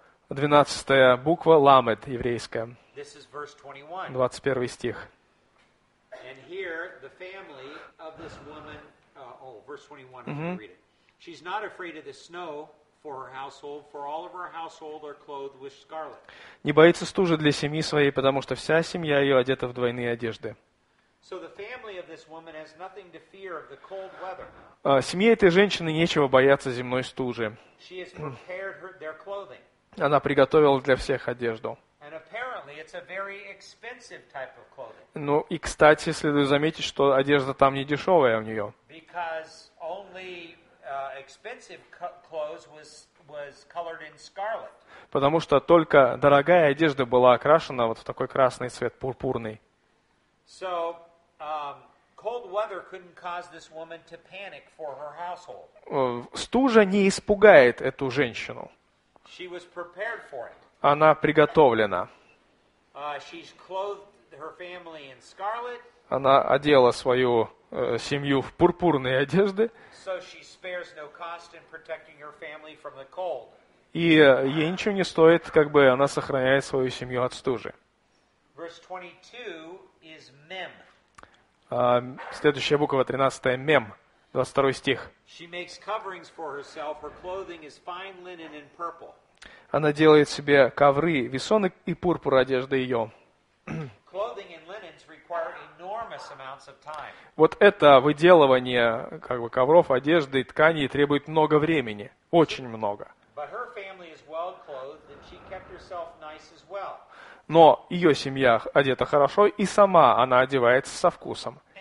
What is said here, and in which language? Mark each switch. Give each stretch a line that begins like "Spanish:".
Russian: 12-я буква Ламед, еврейская. 21 стих.
English: And here the family of this woman, verse 21, I'm going to read it. She's not afraid of the snow for her household, for all of her household are clothed with scarlet.
Russian: Не боится стужи для семьи своей, потому что вся семья ее одета в двойные одежды.
English: So the family of this woman has nothing to fear of the cold weather.
Russian: Семье этой женщины нечего бояться земной стужи.
English: She has prepared their clothing.
Russian: Она приготовила для всех одежду.
English: And apparently it's a very expensive type of clothing.
Russian: Ну и кстати, следует заметить, что одежда там не дешевая у нее.
English: Because only expensive clothes was colored in scarlet.
Russian: Потому что только дорогая одежда была окрашена вот в такой красный цвет, пурпурный.
English: So Cold weather couldn't cause this woman to panic for her household.
Russian: Стужа не испугает эту женщину.
English: She was prepared for it.
Russian: Она приготовлена.
English: She's clothed her family in scarlet.
Russian: Она одела свою семью в пурпурные одежды.
English: So she spares no cost in protecting her family from the cold.
Russian: И ей ничего не стоит, как бы она сохраняет свою семью от стужи.
English: Verse 22 is mem.
Russian: Следующая буква, 13-я, мем, 22 стих.
English: She makes coverings for herself. Her clothing is fine linen and purple.
Russian: Она делает себе ковры, весоны и пурпур одежды ее.
English: Clothing and linens require enormous amounts of time.
Russian: Вот это выделывание как бы ковров, одежды, тканей требует много времени, очень много.
English: But her family is well clothed, and she kept herself nice as well.
Russian: Но ее семья одета хорошо, и сама она одевается со вкусом.